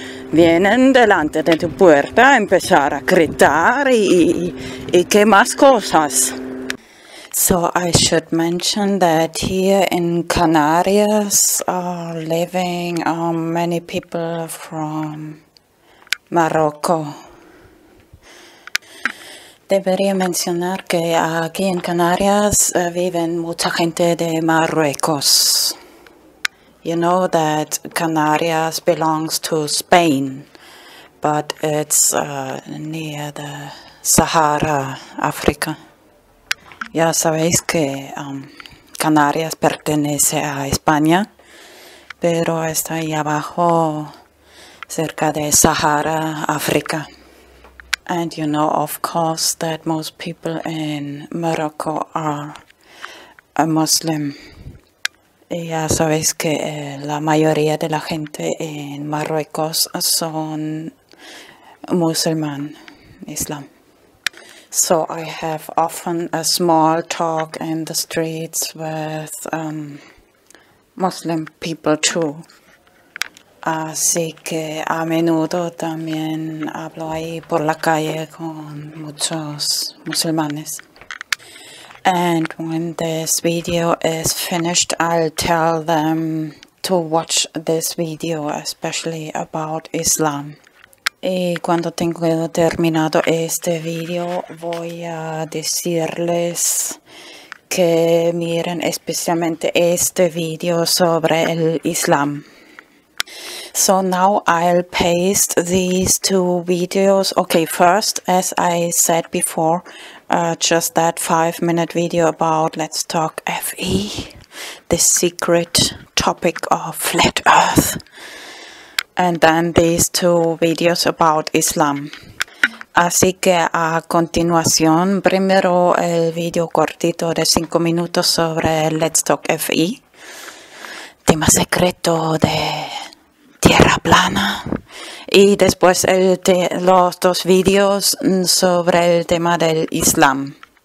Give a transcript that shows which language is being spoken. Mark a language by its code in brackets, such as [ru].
[es] Vienen delante de tu puerta a empezar a gritar y qué más cosas. [en] So I should mention that here in Canarias are living many people from Morocco. [es] Debería mencionar que aquí en Canarias viven mucha gente de Marruecos. [en] You know that Canarias belongs to Spain, but it's near the Sahara, Africa. [es] Ya sabéis que Canarias pertenece a España, pero está ahí abajo, cerca de Sahara, África. [en] And you know, of course, that most people in Morocco are a Muslim. [es] Y ya sabéis que la mayoría de la gente en Marruecos son musulmán, Islam. [en] So I have often a small talk in the streets with Muslim people too. [es] Así que a menudo también hablo ahí por la calle con muchos musulmanes. [en] And when this video is finished, I'll tell them to watch this video, especially about Islam. [es] Y cuando tengo terminado este video, voy a decirles que miren especialmente este video sobre el Islam. [en] So now I'll paste these two videos. Okay, first, as I said before, just that 5-minute video about Let's Talk FE, the secret topic of Flat Earth. And then these two videos about Islam. [es] Así que a continuación, primero el video cortito de 5 minutos sobre Let's Talk FI, tema secreto de tierra plana, y después los dos videos sobre el tema del Islam.